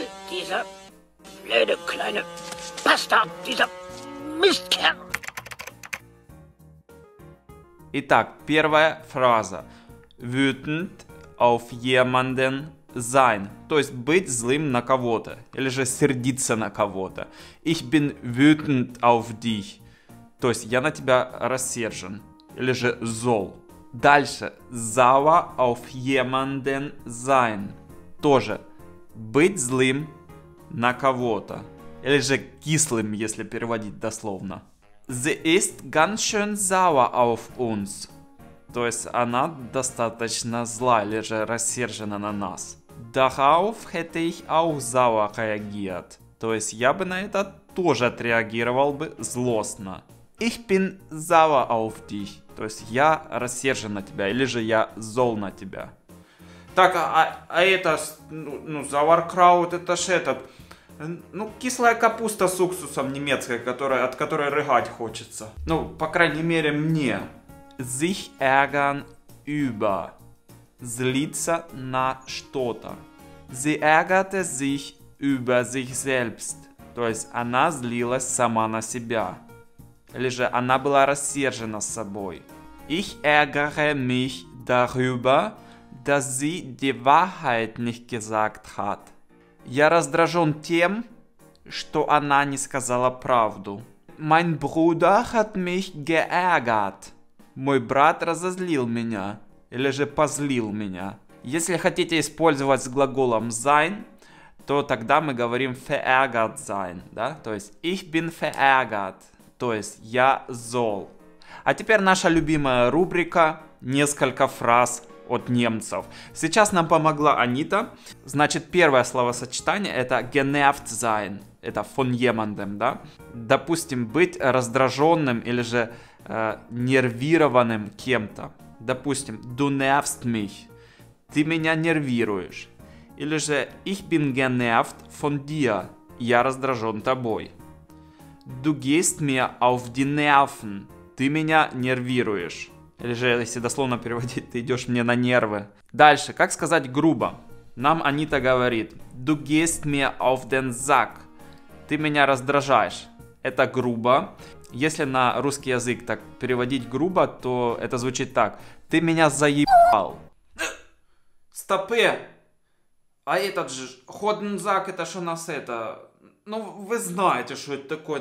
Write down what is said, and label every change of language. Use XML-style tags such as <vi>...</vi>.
<de>Dieser blöde kleine Bastard, dieser Mistkerl!</de> <ru>Итак, первая фраза.</ru> <de>Wütend auf jemanden sein.</de> <ru>То есть быть злым на кого-то. Или же сердиться на кого-то.</ru> <de>Ich bin wütend auf dich.</de> <ru>То есть я на тебя рассержен. Или же зол. Дальше.</ru> <de>Sauer auf jemanden sein.</de> <ru>Тоже. Быть злым на кого-то. Или же кислым, если переводить дословно.</ru> <de>Sie ist ganz schön sauer auf uns.</de> <ru>То есть она достаточно зла или же рассержена на нас.</ru> <de>Darauf hätte ich auch sauer reagiert.</de> <ru>То есть я бы на это тоже отреагировал бы злостно.</ru> <de>Ich bin sauer auf dich.</de> <ru>То есть я рассержен на тебя или же я зол на тебя. Так, а это, ну, sauerkraut, это ж этот... Ну, кислая капуста с уксусом немецкая, которая, от которой рыгать хочется. Ну, по крайней мере, мне.</ru> <de>Sich ärgern über.</de> <ru>Злиться на что-то.</ru> <de>Sie ärgerte sich über sich selbst.</de> <ru>То есть, она злилась сама на себя. Или же, она была рассержена с собой.</ru> <de>Ich ärgere mich darüber, dass sie die Wahrheit nicht gesagt hat.</de> <ru>Я раздражен тем, что она не сказала правду.</ru> <de>Mein Bruder hat mich geärgert.</de> <ru>Мой брат разозлил меня. Или же позлил меня. Если хотите использовать с глаголом sein, то тогда мы говорим</ru> <de>verärgert sein.</de> <ru>Да? То есть</ru> <de>ich bin verärgert.</de> <ru>То есть я зол. А теперь наша любимая рубрика «Несколько фраз». От немцев. Сейчас нам помогла Анита. Значит, первое словосочетание это</ru> <de>genervt sein.</de> <ru>Это</ru> <de>von jemandem,</de> <ru>да? Допустим, быть раздраженным или же нервированным кем-то. Допустим,</ru> <de>du nervst mich.</de> <ru>Ты меня нервируешь. Или же</ru> <de>ich bin genervt von dir.</de> <ru>Я раздражен тобой.</ru> <de>Du gehst mir auf die Nerven.</de> <ru>Ты меня нервируешь. Или же, если дословно переводить, ты идешь мне на нервы. Дальше, как сказать грубо? Нам Анита говорит,</ru> <de>du gehst mir auf den Sack.</de> <ru>Ты меня раздражаешь. Это грубо. Если на русский язык так переводить грубо, то это звучит так. Ты меня заебал. Стопы! А этот же, ходен зак, это что у нас это? Ну, вы знаете, что это такое.</ru>